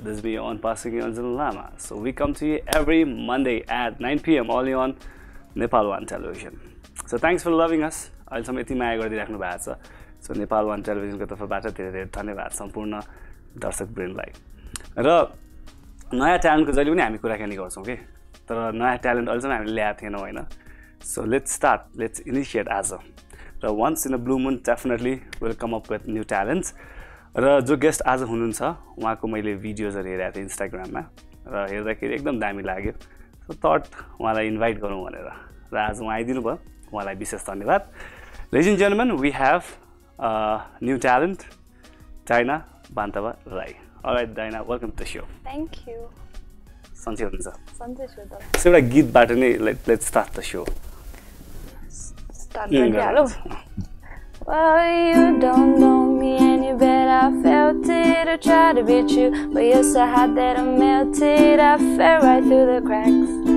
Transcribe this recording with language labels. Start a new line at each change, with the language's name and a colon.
English: This is me on Pasang, Yonzon, Lama. So we come to you every Monday at 9 p.m. only on Nepal1 Television. So thanks for loving us. I'll tell you how much I love you. So Nepal1 Television, I'll tell you how much I love you. Thank you so much for watching.
Nepali: नयाँ ट्यालेन्टको जहिले पनि हामी कुराकानी गर्छौँ कि तर नयाँ talent अहिलेसम्म हामीले ल्याएको थिएनौँ होइन
English: so let's start let's initiate
Nepali: आज र
English: once in a blue moon definitely will come up with new talents
Nepali: र जो गेस्ट आज हुनुहुन्छ उहाँको मैले भिडियोजहरू हेरेको थिएँ इन्स्टाग्राममा र हेर्दाखेरि एकदम दामी लाग्यो सो थट उहाँलाई इन्भाइट गरौँ भनेर र आज उहाँ आइदिनु भयो उहाँलाई विशेष धन्यवाद
English: ladies and gentlemen we have new talent
Nepali: China Bantawa Rai
English: All right, Daina, welcome to the show. Thank you. Sanjay, what's up? Sanjay, what's up? So, like, Geet Bhattani, let's start the show. Start the show. Well, you don't know me any better. I felt it, I tried to beat you. But you're so hot that I melted. I fell right through the cracks.